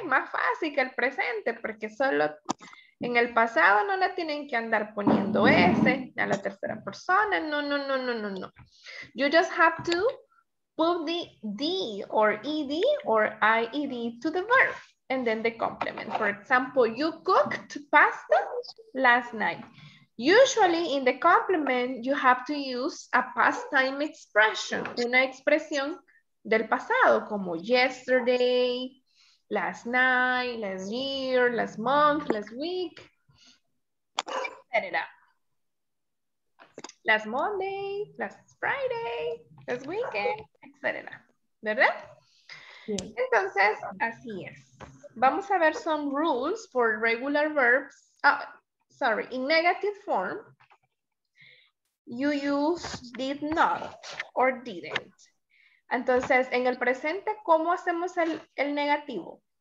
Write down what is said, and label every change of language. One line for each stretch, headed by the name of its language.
Spanish: Más fácil que el presente porque solo en el pasado no la tienen que andar poniendo ese a la tercera persona. No, no, no, no, no, no.
English: You just have to put the D or ED or IED to the verb and then the complement. For example, you cooked pasta last night. Usually in the complement, you have to use a past time expression, una expresión del pasado, como yesterday, last night, last year, last month, last week, set it up. Last Monday, last Friday, last weekend, etc. ¿Verdad? Sí.
Spanish: Entonces, así es. Vamos a ver some rules for regular verbs.
English: Oh, sorry, in negative form, you use did not or didn't.
Spanish: Entonces, en el presente, ¿cómo hacemos el negativo?